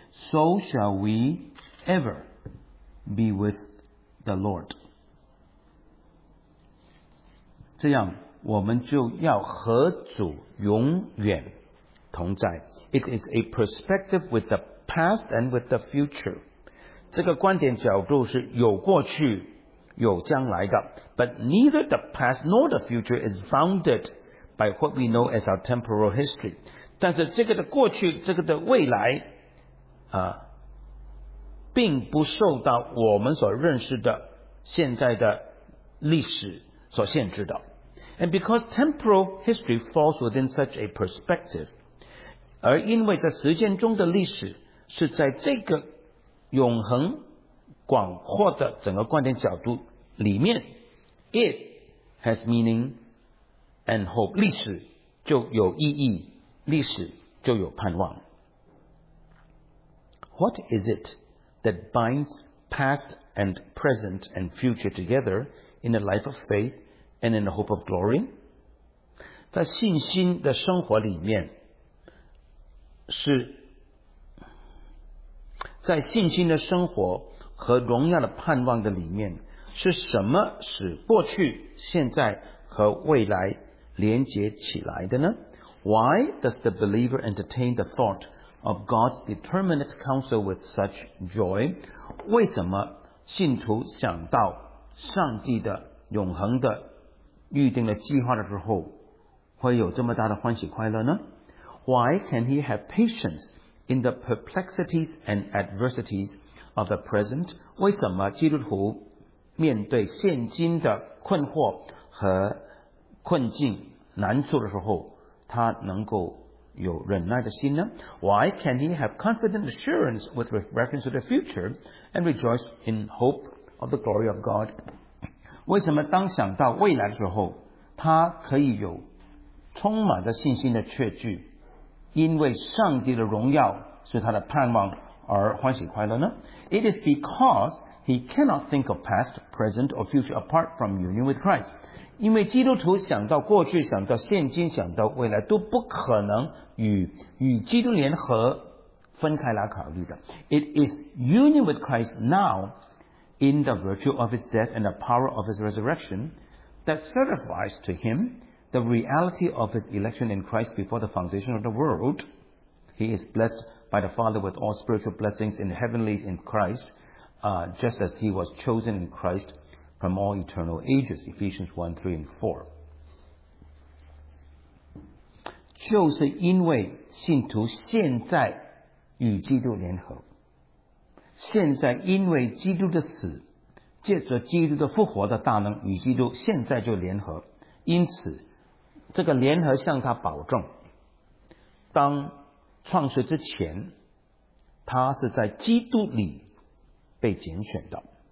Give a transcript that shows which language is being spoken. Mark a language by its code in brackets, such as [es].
[en] So shall we ever be with the Lord。 [zh] 这样我们就要和主永远同在。 [en] It is a perspective with the past and with the future. [zh] 这个观点角度是有过去有将来的。 [en] But neither the past nor the future is founded by what we know as our temporal history. [zh] 但是这个的过去这个的未来并不受到我们所认识的现在的历史所限制的。 [en] And because temporal history falls within such a perspective, [zh] 而因为在时间中的历史是在这个永恒广阔的整个观点角度里面， [en] it has meaning and hope. [zh] 历史就有意义，历史就有盼望。 [en] What is it that binds past and present and future together in a life of faith and in the hope of glory? [zh] 在信心的生活里面，是在信心的生活和荣耀的盼望的里面，是什么使过去、现在和未来连接起来的呢？ [en] Why does the believer entertain the thought of God's determinate counsel with such joy? [zh] 为什么信徒想到上帝的永恒的预定的计划的时候会有这么大的欢喜快乐呢？ [en] Why can he have patience in the perplexities and adversities of the present? [zh] 为什么基督徒面对现今的困惑和困境难处的时候他能够有忍耐的心呢？ [en] Why can he have confident assurance with reference to the future and rejoice in hope of the glory of God? [zh] 为什么当想到未来的时候他可以有充满的信心的确据，因为上帝的荣耀是他的盼望而欢喜快乐呢？ [en] It is because he cannot think of past, present or future apart from union with Christ. [zh] 因为基督徒想到过去、想到现今、想到未来都不可能 与基督联合分开来考虑的。 [en] It is union with Christ now in the virtue of his death and the power of his resurrection that certifies to him the reality of his election in Christ before the foundation of the world. He is blessed by the Father with all spiritual blessings in the heavenlies in Christ, just as he was chosen in Christ from all eternal ages. Ephesians 1, 3 and 4. [zh] 就是因为信徒现在与基督联合，现在因为基督的死，借着基督的复活的大能与基督现在就联合，因此这个联合向他保证，当创世之前，他是在基督里被拣选的。